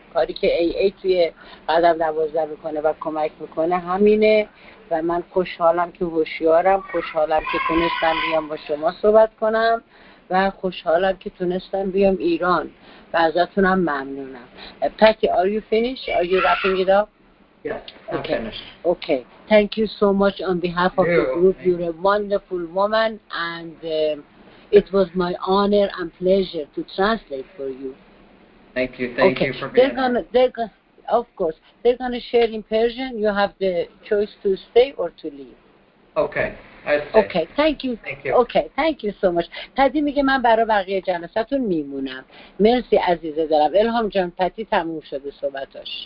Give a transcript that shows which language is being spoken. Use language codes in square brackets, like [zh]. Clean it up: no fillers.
[fa] کاری که AA توی قدم 12 میکنه و کمک میکنه همینه و من خوشحالم که هوشیارم، خوشحالم که تونستم بیام با شما صحبت کنم و خوشحالم که تونستم بیام ایران و ازتونم ممنونم. [en] پکی، are you finished? Are you wrapping it up? Yes, I'm finished. Okay, thank you so much on behalf of the group. You're a wonderful woman and it was my honor and pleasure to translate for you. Thank you for being here. They're gonna share in Persian. You have the choice to stay or to leave. Okay. Okay, thank you. Okay, thank you so much. [fa] پتی میگه من برای بقیه جلساتون میمونم. مرسی عزیز دلم. الهام جان، پتی تموم شده صحبتاش.